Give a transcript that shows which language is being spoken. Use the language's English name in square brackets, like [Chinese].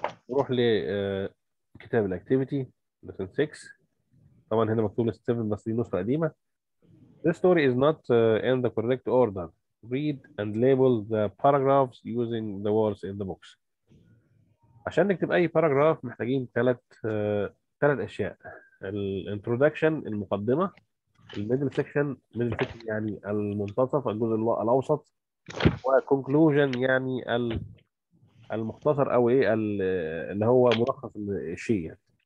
[Arabic] نروح لكتاب الاكتيفيتي lesson 6. طبعا هنا مكتوب 7 بس دي نسخة قديمة. [English] This story is not in the correct order. Read and label the paragraphs using the words in the books. [Arabic] عشان نكتب أي paragraph محتاجين ثلاث أشياء. الـ introduction المقدمة، الـ middle section، middle section يعني المنتصف الجزء الأوسط، و conclusion يعني المختصر أو إيه اللي هو ملخص الشيء يعني.